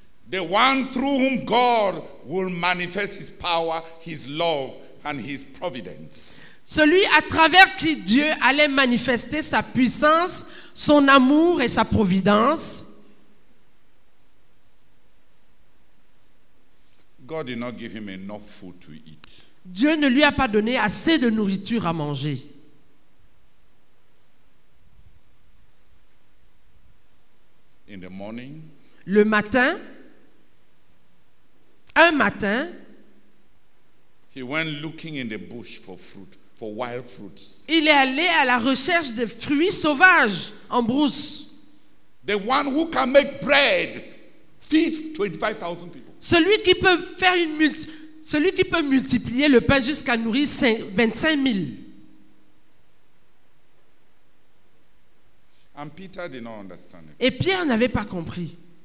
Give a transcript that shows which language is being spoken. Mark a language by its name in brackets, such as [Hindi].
[English] The one through whom God will manifest his power, his love and his providence. [French] Celui à travers qui Dieu allait manifester sa puissance, son amour et sa providence. [English] God did not give him enough food to eat. [French] Dieu ne lui a pas donné assez de nourriture à manger. [English] In the morning, [French] le matin, un matin, [English] he went looking in the bush for fruit. For wild fruits. [French] Il est allé à la recherche de fruits sauvages en brousse. [English] The one who can make bread feed 25,000 people. [French] Celui qui peut faire une multi, celui qui peut multiplier le pain jusqu'à nourrir 25,000. [English] And Peter did not understand it. [French] Et Pierre n'avait pas compris.